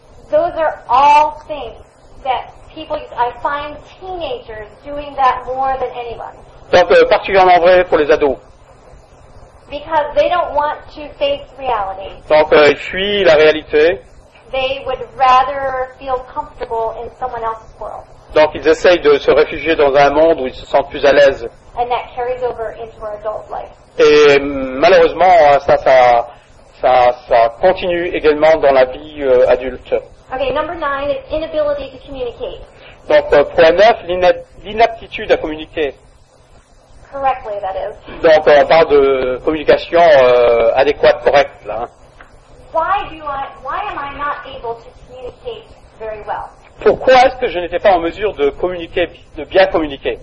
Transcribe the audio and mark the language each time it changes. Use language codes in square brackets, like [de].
[en] Those are all things that people use. I find teenagers doing that more than anyone. [fr] Donc, particulièrement vrai pour les ados. [en] Because they don't want to face reality. [fr] Donc, ils fuient la réalité. [en] They would rather feel comfortable in someone else's world. [fr] Donc, ils essayent de se réfugier dans un monde où ils se sentent plus à l'aise. [en] And that carries over into our adult life. [fr] Et malheureusement, ça continue également dans la vie adulte. [en] Okay, number 9 is inability to communicate. [fr] Donc, point 9, l'inaptitude à communiquer. [en] Correctly, that is. [fr] Donc, on parle de communication adéquate, correcte, là. [en] Why am I not able to communicate very well? [fr] Pourquoi est-ce que je n'étais pas en mesure de communiquer, de bien communiquer?